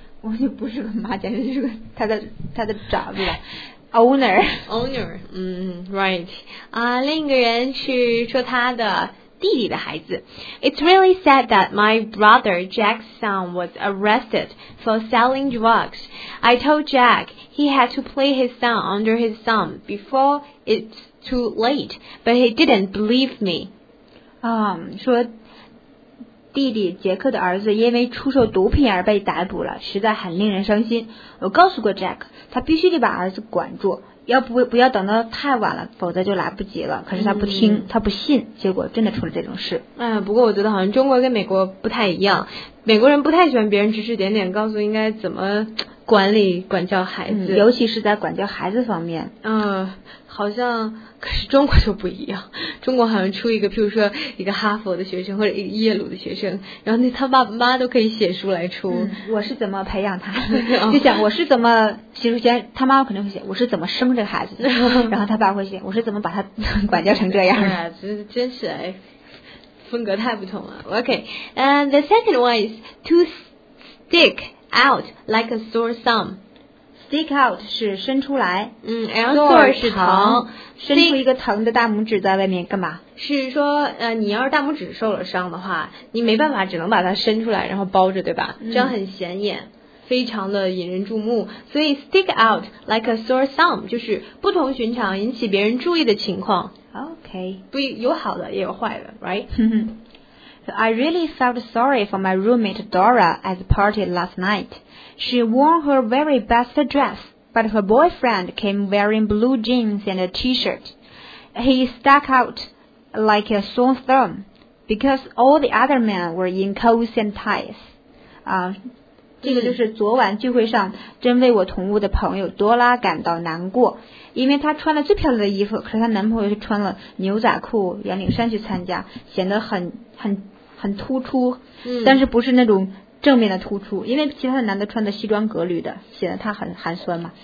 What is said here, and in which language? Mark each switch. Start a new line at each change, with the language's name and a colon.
Chinese: 我就不是个妈，简直是个他的长子。
English: Owner, right.
Chinese: 另一个人是说他的弟弟的孩子。
English: It's really sad that my brother Jack's son was arrested for selling drugs. I told Jack he had to play his son under his thumb before it's too late, but he didn't believe me.
Chinese: 说弟弟杰克的儿子因为出售毒品而被逮捕了，实在很令人伤心。我告诉过 Jack, 他必须得把儿子管住，不要等到太晚了，否则就来不及了。可是他不听，他不信，结果真的出了这种事。不过我觉得好像中国跟美国不太一样，美国人不太喜欢别人指指点点，告诉应该怎么管理管教孩子，尤其是在管教孩子方面。好像可是中国就不一样，中国好像出一个，譬如说一个哈佛的学生或者一个耶鲁的学生，然后那他爸妈都可以写书来出，我是怎么培养他，就想我是怎么，其实先他妈肯定会写我是怎么生这个孩子，然后他爸会写我是怎么把他管教成这样的。真是哎，风格太不同了。
English: OK, and the second one is to stick out like a sore thumb.
Chinese: Stick out 是伸出来， sore 是疼，伸出一个疼的大拇指在外面干嘛？是说你要是大拇指受了伤的话，你没办法，只能把它伸出来然后包着，对吧？这样很显眼，非常的引人注目。所以 stick out like a sore thumb 就是不同寻常引起别人注意的情况。
English: OK,
Chinese: 不有好的也有坏的，
English: right? I really felt sorry for my roommate Dora at the party last night. She wore her very best dress, but her boyfriend came wearing blue jeans and a t-shirt. He stuck out like a sore thumb because all the other men were in coats and ties.
Chinese: 这个就是昨晚聚会上真为我同屋的朋友多拉感到难过，因为她穿了最漂亮的衣服，可是她男朋友却穿了牛仔裤圆领衫去参加，显得很突出，但是不是那种正面的突出，因为其他的男的穿的西装革履的，显得他很寒酸嘛。